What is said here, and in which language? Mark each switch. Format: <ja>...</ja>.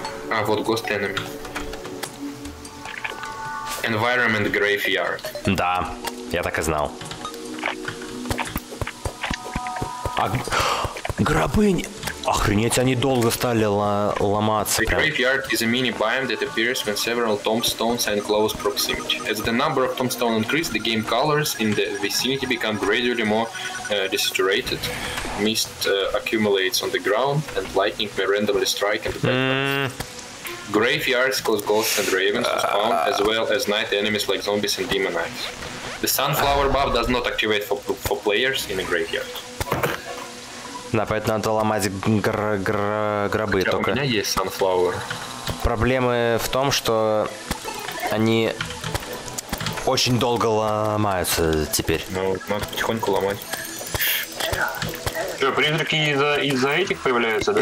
<ru>А, вот ГОСТ Enemy.</ru> <en>Environment Graveyard.</en> <ru>Да, я так и знал. А... Гробынь! Охренеть, они долго стали ломаться.</ru> <en>The graveyard is a mini biome that appears when several tombstones are in close proximity. As the number of tombstones increase, the game colors in the vicinity become gradually more desaturated. Mist accumulates on the ground, and lightning may randomly strike and attack. Graveyards cause ghosts and ravens to spawn, as well as night enemies like zombies and demonites. The sunflower buff does not activate for players in a graveyard.</en> <ru>Да, поэтому надо ломать гробы. Хотя только. У меня есть Sunflower. Проблемы в том, что они очень долго ломаются теперь. Ну, надо потихоньку ломать. Что, призраки из-за этих появляются, да?</ru>